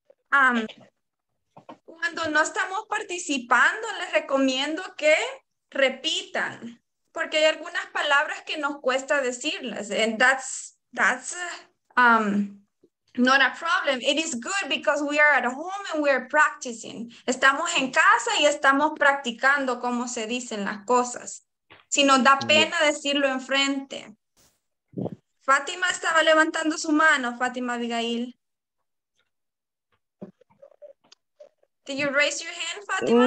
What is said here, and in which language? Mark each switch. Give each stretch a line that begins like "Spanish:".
Spanish: Cuando no estamos participando, les recomiendo que repitan. Porque hay algunas palabras que nos cuesta decirlas.
English: And that's not a problem. It is good because we are at home and we are practicing.
Spanish: Estamos en casa y estamos practicando cómo se dicen las cosas. Si nos da pena decirlo enfrente. Fátima estaba levantando su mano, Fátima Abigail.
English: Did you raise your hand, Fátima?